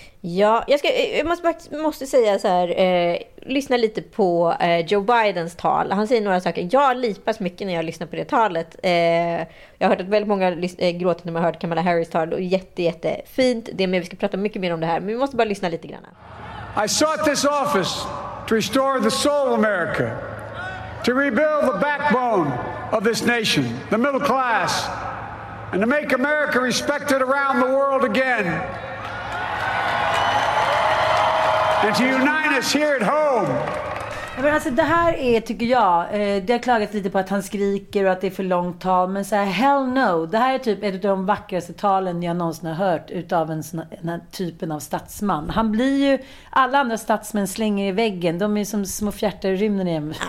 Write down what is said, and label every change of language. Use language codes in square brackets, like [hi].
[sv] Ja, jag måste säga så här, lyssna lite på Joe Bidens tal. Han säger några saker. Jag lipas mycket när jag lyssnar på det talet. Jag har hört att väldigt många gråter när man har hört Kamala Harris tal, och jättefint. Det är med, vi ska prata mycket mer om det här, men vi måste bara lyssna lite grann. [en] I sought this office to restore the soul of America, to rebuild the backbone of this nation, the middle class, and to make America respected around the world again. And to unite us here at home. [sv] Men alltså, det här är, tycker jag, det har klagats lite på att han skriker och att det är för långt tal, men så här, [en] hell no. [sv] Det här är typ ett av de vackraste talen jag någonsin har hört utav en sån här typen av statsman. Han blir ju, alla andra statsmän slänger i väggen, de är som små fjärtar i rymden igen.